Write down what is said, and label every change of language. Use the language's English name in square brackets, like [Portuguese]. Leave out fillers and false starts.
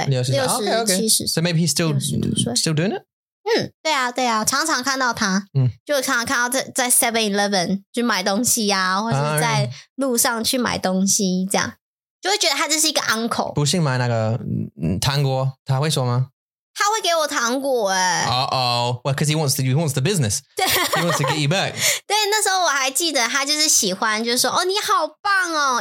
[Chinese] 60岁， [English] OK，OK。 So maybe he's still doing it? [Chinese] 嗯，对啊，常常看到他，就常常看到在 7-Eleven 去买东西啊，或者在路上去买东西这样。就会觉得他这是一个 uncle. 不信买那个糖果，他会说吗？他会给我糖果哎。 [English] Uh oh, well, because he wants the business. He wants to get you back. [Chinese] 对，那时候我还记得他就是喜欢，就是说，哦，你好棒哦。